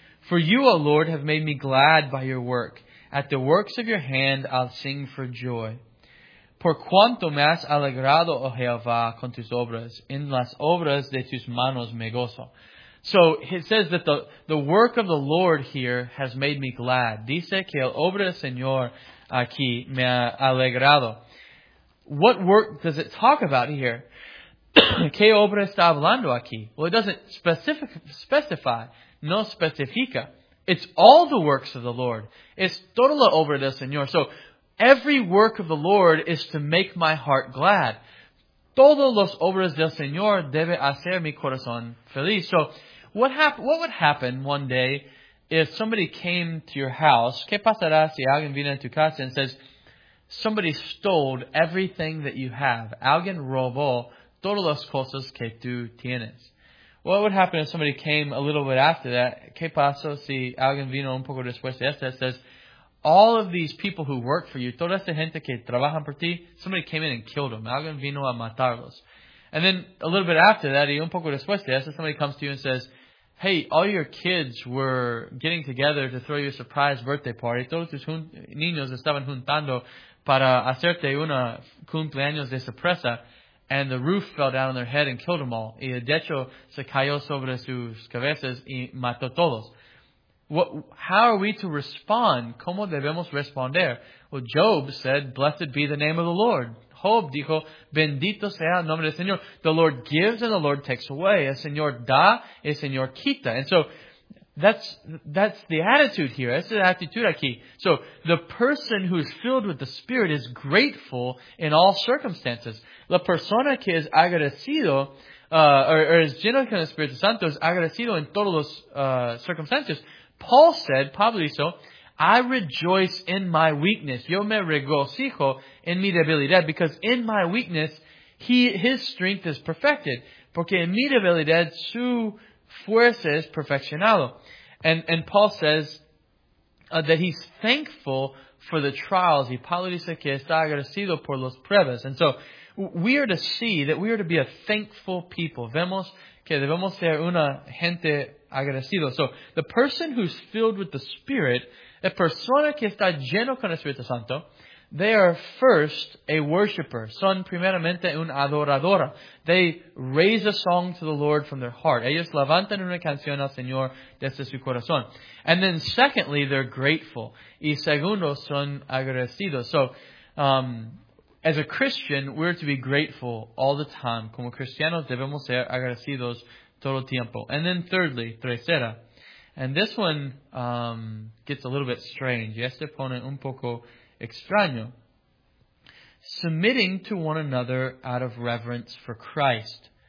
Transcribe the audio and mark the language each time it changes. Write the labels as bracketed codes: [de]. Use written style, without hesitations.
[en] For you, O Lord, have made me glad by your work. At the works of your hand I'll sing for joy. [es] Por cuanto me has alegrado, O Jehová, con tus obras, en las obras de tus manos me gozo. [en] So it says that the work of the Lord here has made me glad. [es] Dice que el obra del Señor aquí me ha alegrado. [en] What work does it talk about here? [es] ¿Qué obra está hablando aquí? [en] Well, it doesn't specify. [es] No especifica. [en] It's all the works of the Lord. [es] Es toda la obra del Señor. [en] So, every work of the Lord is to make my heart glad. [es] Todos los obras del Señor debe hacer mi corazón feliz. [en] So, what would happen one day if somebody came to your house? [es] ¿Qué pasará si alguien viene a tu casa [en] and says, somebody stole everything that you have? [es] Alguien robó todas las cosas que tú tienes. [en] What would happen if somebody came a little bit after that? [es] ¿Qué pasó si alguien vino un poco después de esto? [en] Says, all of these people who work for you, [es] toda esta gente que trabajan por ti, [en] somebody came in and killed them. [es] Alguien vino a matarlos. [en] And then a little bit after that, [es] y un poco después de esto, [en] somebody comes to you and says, hey, all your kids were getting together to throw you a surprise birthday party. [es] Todos tus niños estaban juntando para hacerte una cumpleaños de sorpresa. [en] And the roof fell down on their head and killed them all. [es] Y de hecho, se cayó sobre sus cabezas y mató todos. [en] How are we to respond? [es] ¿Cómo debemos responder? [en] Well, Job said, blessed be the name of the Lord. [es] Jacob dijo, bendito sea el nombre del Señor. [en] The Lord gives and the Lord takes away. [es] El Señor da, el Señor quita. [en] And so, that's the attitude here. That's the attitude aquí. So, the person who is filled with the Spirit is grateful in all circumstances. [es] La persona que es agradecido, es lleno con el Espíritu Santo, es agradecido en todos los circunstancias. [en] Paul said, [es] Pablo hizo, [en] I rejoice in my weakness. [es] Yo me regocijo en mi debilidad, [en] because in my weakness, his strength is perfected. [es] Porque en mi debilidad, su fuerza es perfeccionado. [en] And Paul says that he's thankful for the trials. [es] Y Pablo dice que está agradecido por los pruebas. [en] And so, we are to see that we are to be a thankful people. [es] Vemos que debemos ser una gente agradecido. [en] So, the person who's filled with the Spirit, [es] la persona que está lleno con el Espíritu Santo, [en] they are first a worshiper. [es] Son primeramente un adoradora. [en] They raise a song to the Lord from their heart. [es] Ellos levantan una canción al Señor desde su corazón. [en] And then secondly, they're grateful. [es] Y segundo, son agradecidos. [en] So, as a Christian, we're to be grateful all the time. [es] Como cristianos, debemos ser agradecidos todo el tiempo. [en] And then thirdly, tercera. And this one gets a little bit strange. [es] Y este pone un poco extraño. [en] Submitting to one another out of reverence for Christ.